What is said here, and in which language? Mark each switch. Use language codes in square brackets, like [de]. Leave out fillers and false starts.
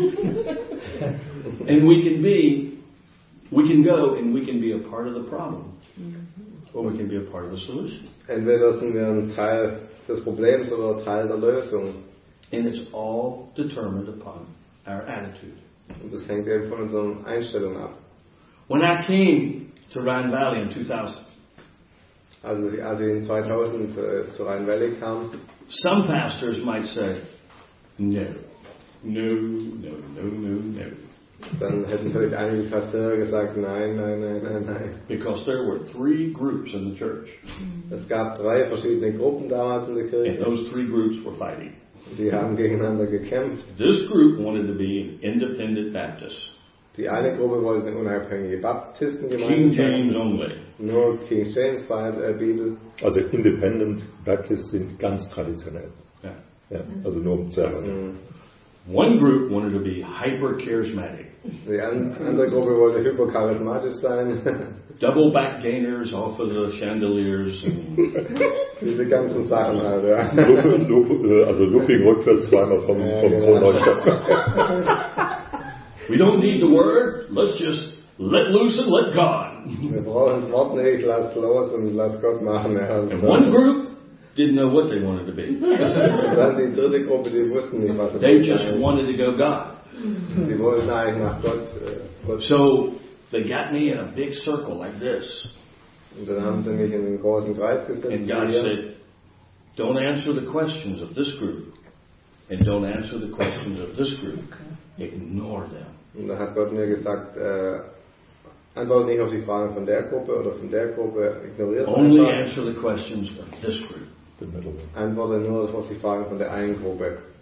[en] And we can go and be a part of the problem. Or we can be a part of the solution. [de] Entweder sind wir ein Teil des Problems oder Teil der Lösung. [en] And it's all determined upon our attitude. [de] Und das hängt eben von unserer Einstellung ab. [en] When I came to Rhine Valley in 2000, [de] also als ich in 2000 zu Rhine Valley kam, [en] some pastors might say, no, no, no, no, no, no. [de] Dann hätten vielleicht einige Pastoren gesagt, nein, nein, nein, nein, nein. [en] Because there were three groups in the church. [de] Es gab drei verschiedene Gruppen damals in der Kirche. [en] And those three groups were fighting. [de] Die haben gegeneinander gekämpft. [en] This group wanted to be an independent Baptist. [de] Die eine Gruppe wollte eine unabhängige Baptistengemeinde. [en] King James only. [de] Nur King James Bibel. Also independent Baptists sind ganz traditionell. [en] Yeah. [de] Ja. Also nur zwei. [en] One group wanted to be hyper charismatic. The other group wanted hyper charismatic [de] sein. [en] Double back gainers off of the chandeliers. [de] Diese ganzen Sachen halt, ja. Also looping rückwärts zweimal vom Kronleuchter. [en] We don't need the word. Let's just let loose and let God. [de] Wir brauchen das Wort nicht. Lass los und lass Gott machen. [en] And one group didn't know what they wanted to be. [de] Dann die dritte Gruppe, die wussten nicht, was [en] they just [de] sein. [en] Wanted to go God. [de] Sie wollten eigentlich nach Gott. [en] So they got me in a big circle like this. [de] Und dann haben sie mich in einen großen Kreis gesetzt. [en] And God said, don't answer the questions of this group. And don't answer the questions of this group. Okay. Ignore them. [de] Und dann hat Gott mir gesagt, antworte nicht auf die Fragen von der Gruppe oder von der Gruppe. Ignoriere sie. [en] Only [de] einfach. [en] Answer the questions of this group. The middle one. [de] Antworte nur auf die Fragen von der einen Gruppe.